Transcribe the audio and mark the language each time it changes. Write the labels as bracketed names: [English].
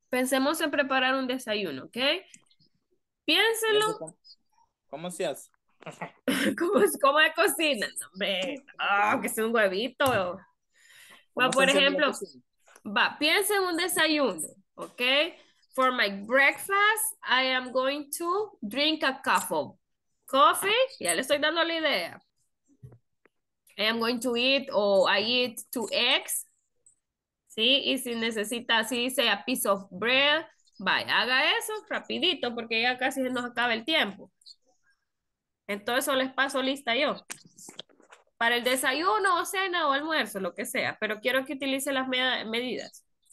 [Spanish] Pensemos en preparar un desayuno, ¿ok? Piénselo. ¿Cómo se hace? ¿Cómo de cocina? Hombre, oh, que sea un huevito. Va, por ejemplo, piensa en un desayuno, [English] Okay. For my breakfast, I am going to drink a cup of coffee. [Spanish] Ya le estoy dando la idea. [English] I am going to eat, or I eat two eggs. [Spanish] ¿Sí? Y si necesita, si dice [English] a piece of bread, [Spanish] vaya, haga eso rapidito porque ya casi se nos acaba el tiempo. Entonces, eso les paso lista yo. Para el desayuno, o cena, o almuerzo, lo que sea. Pero quiero que utilice las medidas.